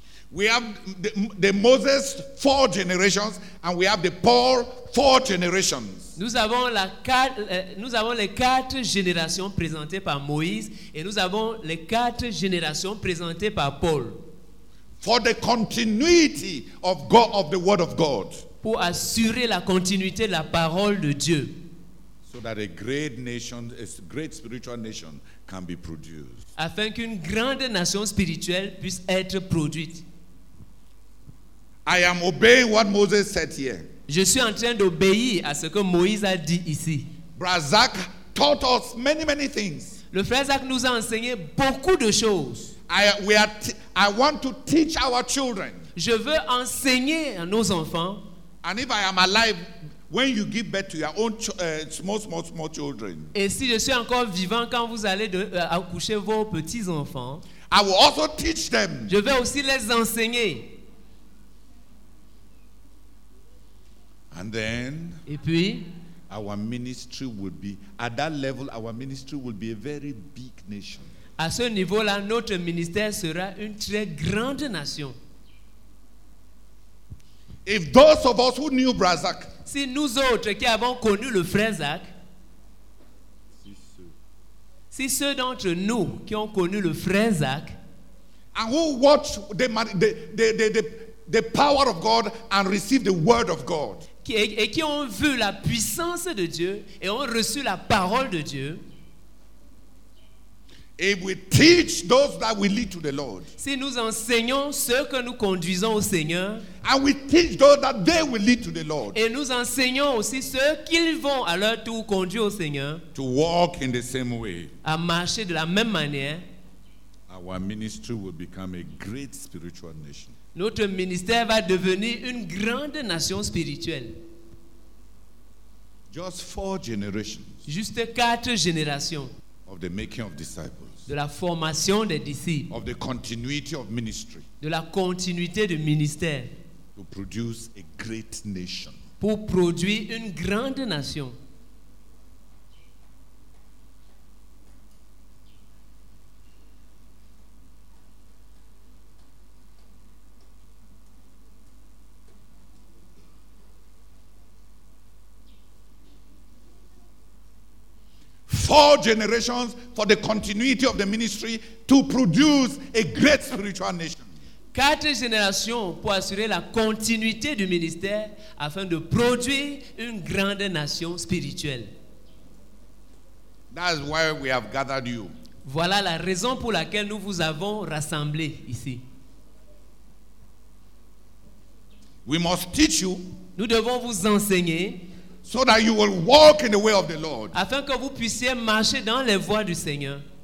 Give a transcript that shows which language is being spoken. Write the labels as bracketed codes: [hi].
[en] We have the Moses 4 generations and we have the Paul 4 generations. [fr] Nous avons les 4 générations présentées par Moïse et nous avons les 4 générations présentées par Paul. [en] For the continuity of God of the word of God. [fr] Pour assurer la continuité de la parole de Dieu. [en] So that a great nation, a great spiritual nation can be produced. [fr] Afin qu'une grande nation spirituelle puisse être produite. [en] I am obeying what Moses said here. [fr] Je suis en train d'obéir à ce que Moïse a dit ici. [en] Brother Zach taught us many, many things. [fr] Le frère Zach nous a enseigné beaucoup de choses. [en] I want to teach our children. [fr] Je veux enseigner à nos enfants. [en] And if I am alive, when you give birth to your own small children. [fr] Et si je suis encore vivant quand vous allez accoucher vos petits enfants. [en] I will also teach them. [fr] Je vais aussi les enseigner. [en] And then, [fr] et puis, [en] our ministry will be, at that level, our ministry will be a very big nation. [fr] À ce niveau-là, notre ministère sera une très grande nation. [en] If those of us who knew Brazak, [fr] si nous autres qui avons connu le frère Zach, si ceux d'entre nous qui ont connu le frère Zach, [en] and who watched the power of God and received the word of God, [fr] et qui ont vu la puissance de Dieu et ont reçu la parole de Dieu, [en] if we teach those that we lead to the Lord, [fr] si nous enseignons ceux que nous conduisons au Seigneur, [en] and we teach those that they will lead to the Lord, [fr] et nous enseignons aussi ceux qu'ils vont à leur tour conduire au Seigneur, [en] to walk in the same way, [fr] à marcher de la même manière, [en] our ministry will become a great spiritual nation. [fr] Notre ministère va devenir une grande nation spirituelle. [en] Just four generations. [fr] Juste quatre générations. [en] Of the making of disciples. [fr] De la formation des disciples. [en] Of the continuity of ministry. [fr] De la continuité de ministère. [en] To produce a great nation. [fr] Pour produire une grande nation. [en] Four generations for the continuity of the ministry to produce a great spiritual nation. [fr] Quatre générations pour assurer la continuité du ministère afin de produire une grande nation spirituelle. [en] That's why we have gathered you. [fr] Voilà la raison pour laquelle nous vous avons rassemblés ici. [en] We must teach you. [fr] Nous devons vous enseigner. [en] So that you will walk in the way of the Lord. [fr] Afin que vous puissiez marcher dans les voies du Seigneur.